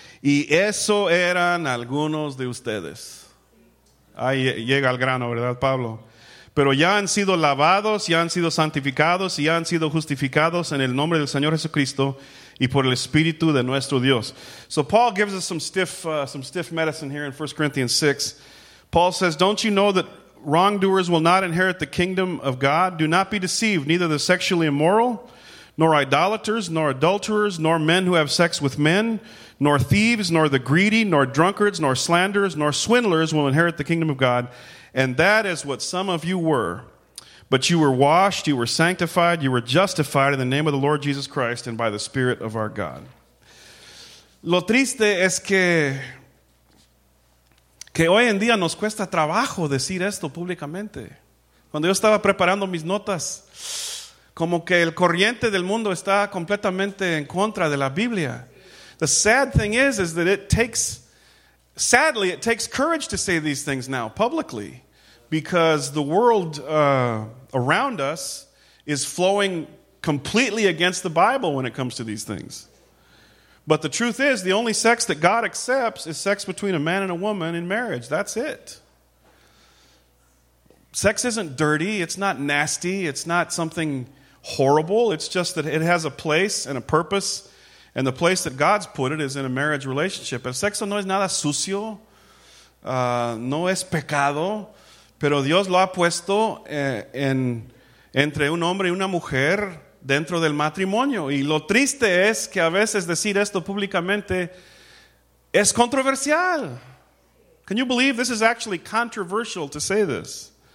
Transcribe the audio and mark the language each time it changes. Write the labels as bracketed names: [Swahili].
[Spanish] Y eso eran algunos de ustedes. Ahí llega al grano, ¿verdad, Pablo? Pero ya han sido lavados, ya han sido santificados y ya han sido justificados en el nombre del Señor Jesucristo y por el Espíritu de nuestro Dios. [English] So Paul gives us some stiff medicine here in 1 Corinthians 6. Paul says, don't you know that wrongdoers will not inherit the kingdom of God? Do not be deceived, neither the sexually immoral, nor idolaters, nor adulterers, nor men who have sex with men, nor thieves, nor the greedy, nor drunkards, nor slanderers, nor swindlers will inherit the kingdom of God. And that is what some of you were. But you were washed, you were sanctified, you were justified in the name of the Lord Jesus Christ and by the Spirit of our God. [Spanish] Lo triste es que hoy en día nos cuesta trabajo decir esto públicamente. Cuando yo estaba preparando mis notas, como que el corriente del mundo está completamente en contra de la Biblia. [English] The sad thing is that it takes courage to say these things now publicly, because the world around us is flowing completely against the Bible when it comes to these things. But the truth is, the only sex that God accepts is sex between a man and a woman in marriage. That's it. Sex isn't dirty. It's not nasty. It's not something horrible. It's just that it has a place and a purpose. And the place that God's put it is in a marriage relationship. [Spanish] El sexo no es nada sucio. No es pecado. Pero Dios lo ha puesto entre un hombre y una mujer dentro del matrimonio. Y lo triste es que a veces decir esto públicamente es controversial. [English] Can you believe this is actually controversial to say this?